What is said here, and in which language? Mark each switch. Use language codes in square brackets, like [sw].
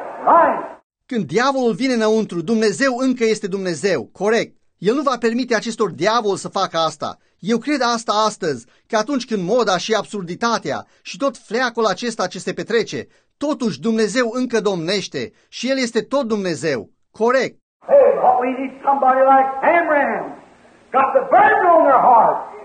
[en] Right? [ro] Când diavolul vine înăuntru, Dumnezeu încă este Dumnezeu, corect. El nu va permite acestor diavol să facă asta. Eu cred asta astăzi, că atunci când moda și absurditatea și tot fleacul acesta ce se petrece, totuși Dumnezeu încă domnește și El este tot Dumnezeu, corect. [en] Hey, what we need somebody like Amram, got the burden on their heart.